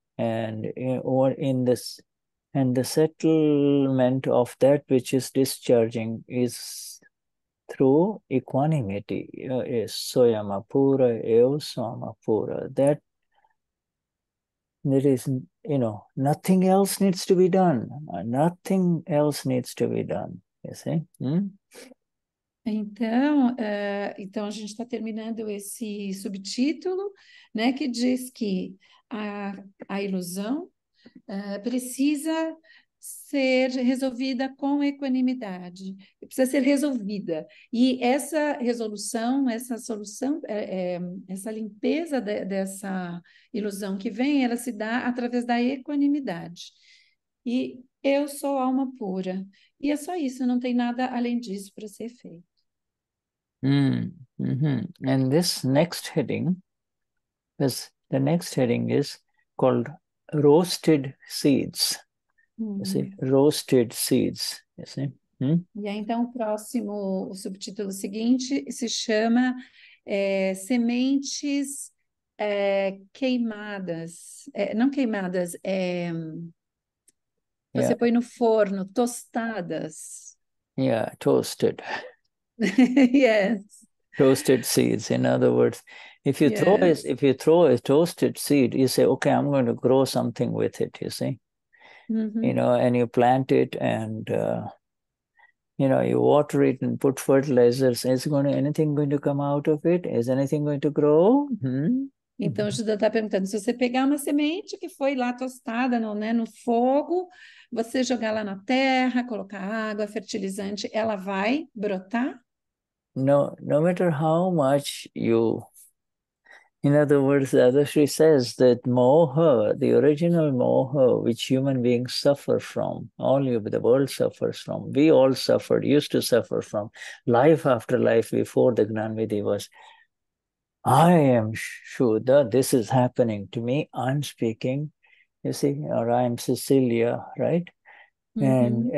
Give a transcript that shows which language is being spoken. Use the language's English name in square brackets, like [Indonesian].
[English] And the settlement of that which is discharging is through equanimity. Is soyama pura, eu soma pura. That there is, you know, nothing else needs to be done. Nothing else needs to be done, you see. Hmm? [Portuguese] Então, então a gente está terminando esse subtítulo, né, que diz que a ilusão precisa ser resolvida com equanimidade, precisa ser resolvida. E essa resolução, essa solução, essa limpeza dessa ilusão que vem, ela se dá através da equanimidade. E eu sou alma pura. E é só isso, não tem nada além disso para ser feito. [English] And this next heading, the next heading is called roasted seeds. You see, roasted seeds, you see. [Portuguese] E aí, então, o próximo, o subtítulo seguinte se chama sementes queimadas. Não queimadas, você põe no forno, tostadas. [English] Yeah, toasted. Yes. Toasted seeds, in other words. If you throw a toasted seed, you say, okay, I'm going to grow something with it, you see. Mm-hmm. You know, and you plant it and, you water it and put fertilizers. Anything going to come out of it? Is anything going to grow? [Portuguese] Então, o Shuddha está perguntando, se você pegar uma semente que foi lá tostada no fogo, você jogar lá na terra, colocar água, fertilizante, ela vai brotar? [English] No matter how much you... In other words, Dadashri says that moha, the original moha, which human beings suffer from, all of the world suffers from, we all suffered, used to suffer from, life after life before the Gnanvidhi was, I am Shuddha, this is happening to me, I'm speaking, you see, or I'm Cecilia, right? Mm-hmm.